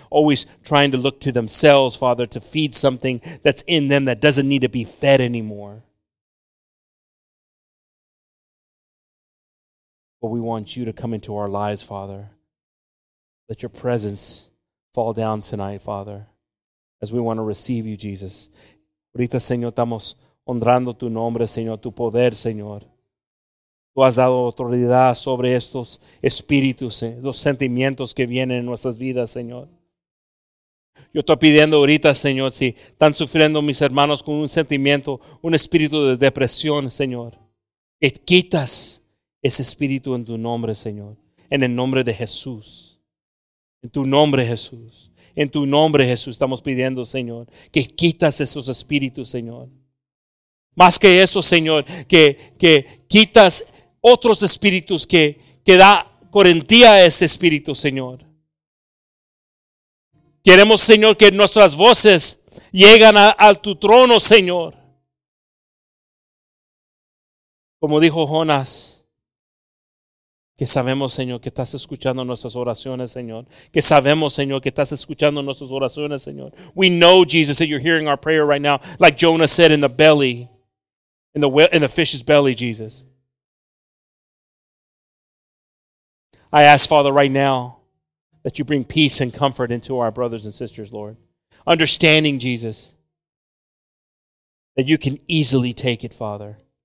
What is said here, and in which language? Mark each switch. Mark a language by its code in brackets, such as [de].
[en] Always trying to look to themselves, Father, to feed something that's in them that doesn't need to be fed anymore. But we want you to come into our lives, Father. Let your presence fall down tonight, Father, as we want to receive you, Jesus. [es] Ahorita, Señor, estamos honrando tu nombre, Señor, tu poder, Señor. Tú has dado autoridad sobre estos espíritus, los sentimientos que vienen en nuestras vidas, Señor. Yo estoy pidiendo ahorita, Señor, si están sufriendo mis hermanos con un sentimiento, un espíritu de depresión, Señor, que quitas ese espíritu en tu nombre, Señor, en el nombre de Jesús, en tu nombre, Jesús, en tu nombre, Jesús, estamos pidiendo, Señor, que quitas esos espíritus, Señor. Más que eso, Señor, que quitas otros espíritus que da corintía a ese espíritu, Señor. Queremos, Señor, que nuestras voces lleguen a tu trono, Señor. Como dijo Jonás, que sabemos, Señor, que estás escuchando nuestras oraciones, Señor. Que sabemos, Señor, que estás escuchando nuestras oraciones, Señor. [en] We know, Jesus, that you're hearing our prayer right now, like Jonah said in the belly, in the fish's belly, Jesus. I ask, Father, right now, that you bring peace and comfort into our brothers and sisters, Lord. Understanding, Jesus, that you can easily take it, Father.